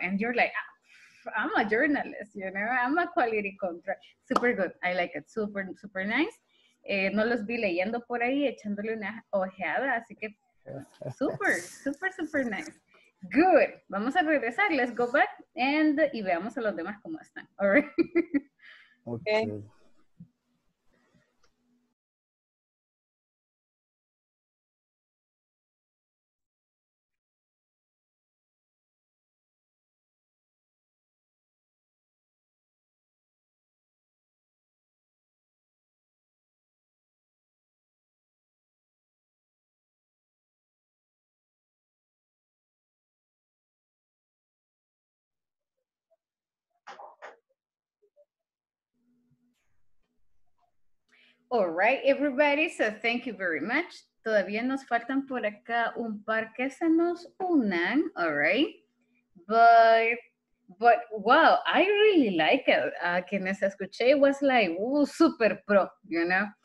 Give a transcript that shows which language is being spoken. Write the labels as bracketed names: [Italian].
[English] And you're like, I'm a journalist, you know? I'm a quality contract. Super good. I like it. Super, super nice. [Spanish] No los vi leyendo por ahí, echándole una ojeada. Así que [English] super, super, super nice. [Spanish] Good. Vamos a regresar. [English] Let's go back and [Spanish] y veamos a los demás cómo están. [English] All right. Okay. Okay. All right, everybody, so thank you very much. [Spanish] Todavía nos faltan por acá un par que se nos unan, [English] all right? But wow, I really like it. [Spanish] Quienes escuché, [English] it was like, ooh, super pro, you know?